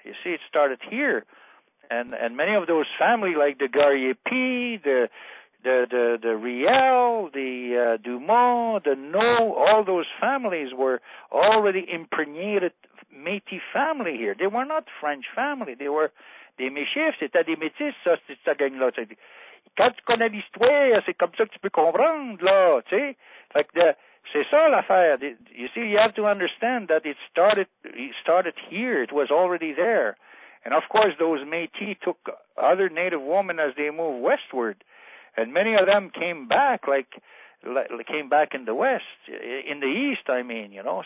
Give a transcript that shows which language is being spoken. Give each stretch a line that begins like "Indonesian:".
English: You see, it started here, and many of those family, like the Gariepi, the Riel, the Dumont, the No, all those families were already impregnated Métis family here. They were not French family. They were des Méchifs.
French: C'était des Métis, ça, c'est ça, gagne-là. Quand tu connais l'histoire, c'est comme ça que tu peux comprendre, là, tu sais. Fait que c'est ça l'affaire.
English: You see, you have to understand that it started here. It was already there. And of course, those Métis took other native women as they moved westward. And many of them came back in the West, in the East, I mean, you know.